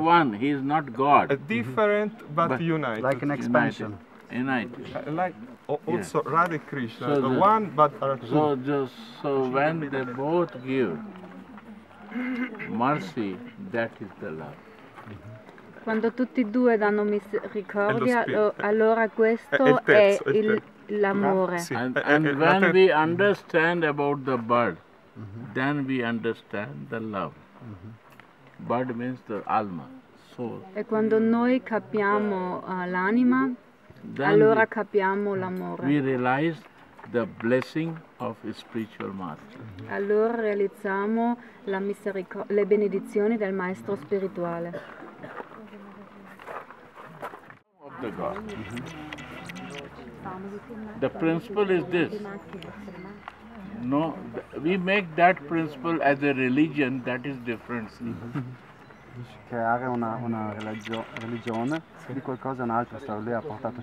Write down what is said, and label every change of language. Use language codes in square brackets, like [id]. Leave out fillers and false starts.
[en] One. He is not God. A different, but united. Like an expansion. United. Like also yes. Radha Krishna. So the one, but are two. So when they both give mercy, that is the love. [it] Quando tutti e due danno misericordia, allora questo è il l'amore. [en] And when we understand about the bird, then we understand the love. Bird means the alma, soul. [it] E quando noi capiamo l'anima, allora capiamo l'amore. [en] We realize the blessing of a spiritual master. [it] Allora realizziamo le benedizioni del maestro spirituale. [en] The God. The principle is this. No, we make that principle as a religion, that is different. [it] Creare una religione di qualcosa un'altra storia, lui ha portato